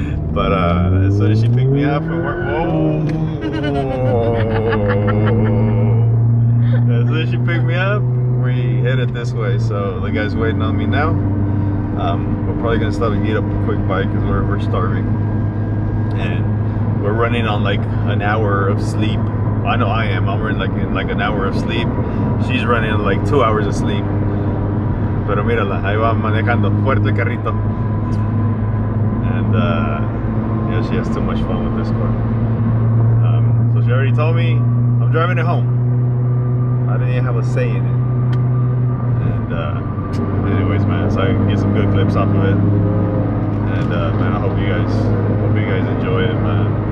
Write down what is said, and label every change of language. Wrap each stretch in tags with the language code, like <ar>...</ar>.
<en>But as soon as she picked me up from work, we headed this way. So the guy's waiting on me now. We're probably gonna stop and eat a quick bite because we're starving. And we're running on like an hour of sleep. I know I am. I'm running like an hour of sleep. She's running like 2 hours of sleep.</en> <es>Pero mírala, ahí va manejando fuerte el carrito.</es> <en>And yeah, she has too much fun with this car. So she already told me I'm driving it home. I didn't even have a say in it. And Anyways, man, so I can get some good clips off of it. And man, I hope you guys enjoy it, man.</en>